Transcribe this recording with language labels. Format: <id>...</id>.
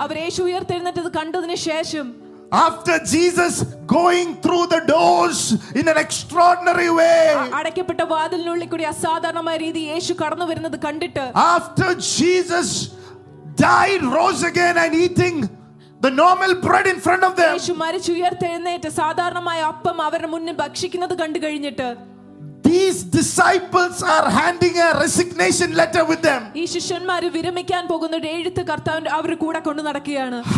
<ml>അവർ യേശു ഉയർത്തെഴുന്നേറ്റത് കണ്ടതിനു ശേഷം,</ml> <en>after Jesus going through the doors in an extraordinary way,</en> <ml>അടയ്ക്കപ്പെട്ട വാതിലിനുള്ളിൽ കൂടി അസാധാരണമായ രീതി യേശു കടന്നു വരുന്നത് കണ്ടിട്ട്,</ml> <en>after Jesus died, rose again, and eating the normal bread in front of them,</en> <ml>യേശു മരിച്ചു ഉയർത്തെഴുന്നേറ്റ് സാധാരണമായ അപ്പം അവരുടെ മുന്നിൽ ഭക്ഷിക്കുന്നത് കണ്ടു കഴിഞ്ഞിട്ട്,</ml> <en>these disciples are handing a resignation letter with them.</en> <ml>ഈ ശിഷ്യന്മാർ വിരമിക്കാൻ പോകുന്ന ഒരു എഴുത്ത് കർത്താവിന്റെ അവർ കൂടെ കൊണ്ടു നടക്കുകയാണ്.</ml>